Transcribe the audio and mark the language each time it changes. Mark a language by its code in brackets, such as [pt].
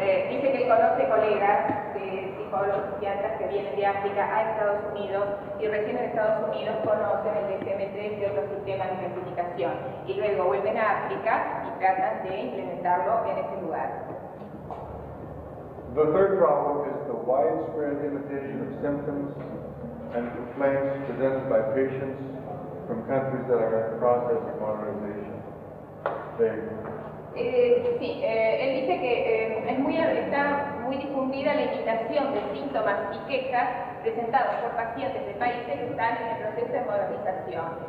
[es] Dice que conoce colegas de psicólogos psiquiatras que vienen de África a Estados Unidos y recién en Estados Unidos conocen el DSM-3 y otros sistemas de clasificación y luego vuelven a África y tratan de implementarlo en ese lugar. [en] The third problem is the widespread imitation of symptoms and complaints presented by patients from countries that are in the process of modernization. [es] Él dice que está muy difundida la imitación de síntomas y quejas presentados por pacientes de países que están en el proceso de modernización.